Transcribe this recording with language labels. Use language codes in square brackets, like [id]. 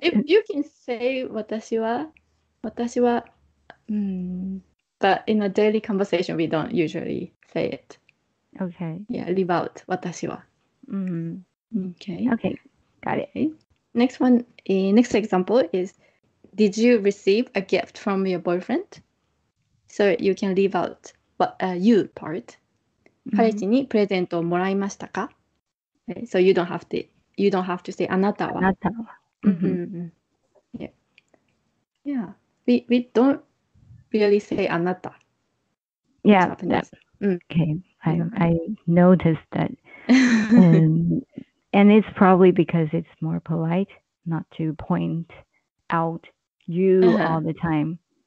[en] If you can say [ja] 私は, [en] but in a daily conversation, we don't usually say it. Okay. Yeah, leave out [ja] 私は. [en] Okay. Okay, got it. Okay. Next one, next example is, did you receive a gift from your boyfriend? So you can leave out you part. [ja] 彼氏にプレゼントをもらいましたか? [en] Okay, so you don't have to say [ja] あなたは. あなたは. [en] Mm-hmm. Mm-hmm. Yeah. Yeah. We don't really say あなた. Yeah. That's, okay. I noticed that. and it's probably because it's more polite not to point out you all the time.